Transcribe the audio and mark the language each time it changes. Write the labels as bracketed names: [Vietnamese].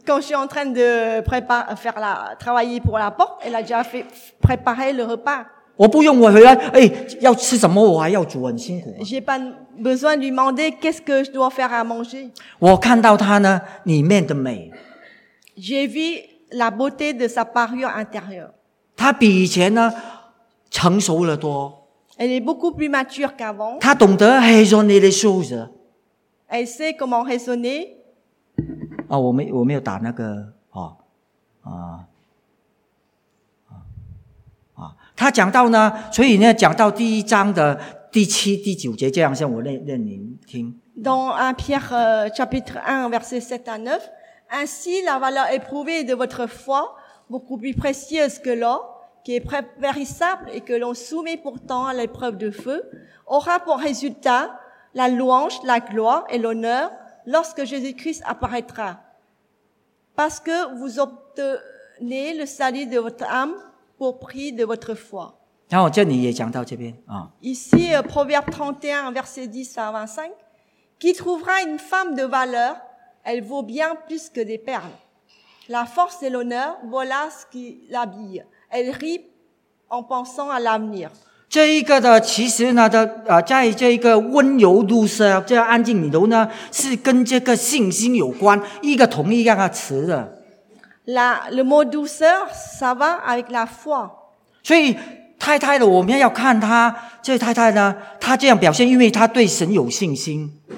[French] Quand je suis en train de préparer, faire la, travailler pour la porte, elle a déjà fait, préparé le repas. [Chinese] 我不用我回来，哎，要吃什么？我还要煮，很辛苦、 [French] 啊。J'ai pas besoin de lui demander qu'est-ce que je dois faire à manger。 [Chinese] 我看到他呢里面的美。 [French] J'ai vu la beauté de sa parure intérieure。 [Chinese] 他比以前呢成熟了多。 [French] Elle est beaucoup plus mature qu'avant。 [Chinese] 他懂得 [French] raisonner les choses。 Elle sait comment raisonner。 [Chinese] 啊，我没有打那个啊。他讲到呢，所以呢，讲到第一章的第七、第九节，这样向我念您听。 [French] Dans 1 Pierre chapitre 1 verset 7 à 9, ainsi la valeur éprouvée de votre foi, beaucoup plus précieuse que l'or, qui est périssable et que l'on soumet pourtant à l'épreuve de feu, aura pour résultat la louange, la gloire et l'honneur lorsque Jésus-Christ apparaîtra. Parce que vous obtenez le salut de votre âme. Pour prix de votre foi. [Chinese] 然后这里也讲到这边啊。 [French] Ici, Proverbe 31, verset 10 à 25, qui trouvera une femme de valeur, elle vaut bien plus que des perles. La force et l'honneur, voilà ce qui l'habille. Elle rit en pensant à l'avenir. [Chinese] 这一个的其实呢的啊，在这一个温柔如丝这样安静里头呢，是跟这个信心有关，一个同一样的词的。 [French] Le mot douceur, ça va avec la foi. [Chinese] 所以太太的，我们要看她这太太呢，她这样表现，因为她对神有信心。